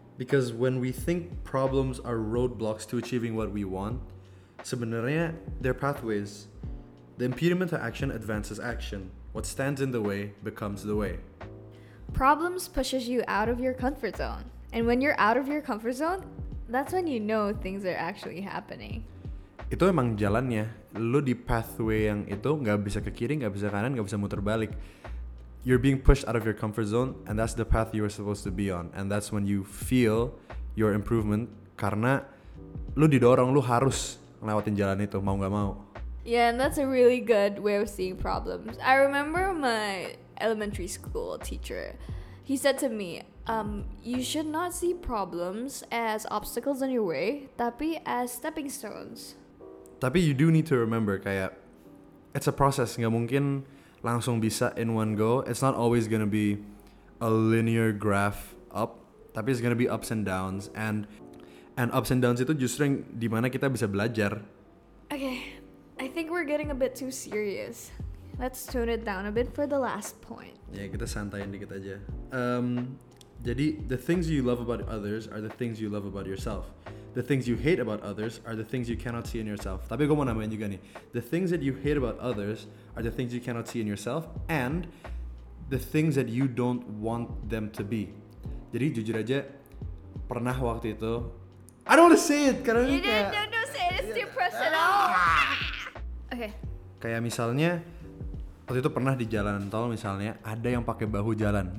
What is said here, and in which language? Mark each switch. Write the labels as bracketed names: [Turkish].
[English] Because when we think problems are roadblocks to achieving what we want, [Indonesian] sebenarnya [English] they're pathways. The impediment to action advances action. What stands in the way becomes the way. Problems pushes you out of your comfort zone. And when you're out of your comfort zone, that's when you know things are actually happening. [Indonesian] Itu emang jalannya. Lu di pathway yang itu gak bisa ke kiri, gak bisa kanan, gak bisa muter balik. [English] You're being pushed out of your comfort zone, and that's the path you were supposed to be on. And that's when you feel your improvement, [Indonesian] karena lu didorong, lu harus lewatin jalan itu, mau gak mau. [English] Yeah, and that's a really good way of seeing problems. I remember my elementary school teacher, he said to me, you should not see problems as obstacles on your way, [Indonesian] tapi [English] as stepping stones. [Indonesian] Tapi [English] you do need to remember, [Indonesian] kayak, [English] it's a process, [Indonesian] gak mungkin langsung bisa [English] in one go. It's not always gonna be a linear graph up, [Indonesian] tapi [English] it's gonna be ups and downs. And ups and downs [Indonesian] itu justru yang dimana kita bisa belajar. [English] Okay, I think we're getting a bit too serious. Let's tone it down a bit for the last point. Yeah, [Indonesian] kita santai dikit aja. Jadi, [English] the things you love about others are the things you love about yourself. The things you hate about others are the things you cannot see in yourself. [Indonesian] Tapi gue mau nambahin juga nih. [English] The things that you hate about others are the things you cannot see in yourself and the things that you don't want them to be. [Indonesian] Jadi, jujur aja, pernah waktu itu... [English] I don't want to say it! [Indonesian] Karena [English] you didn't [Indonesian] kayak, [English] don't say it, it's too personal! Okay. [Indonesian] Kayak misalnya... Waktu itu pernah di jalan tol misalnya ada yang pakai bahu jalan.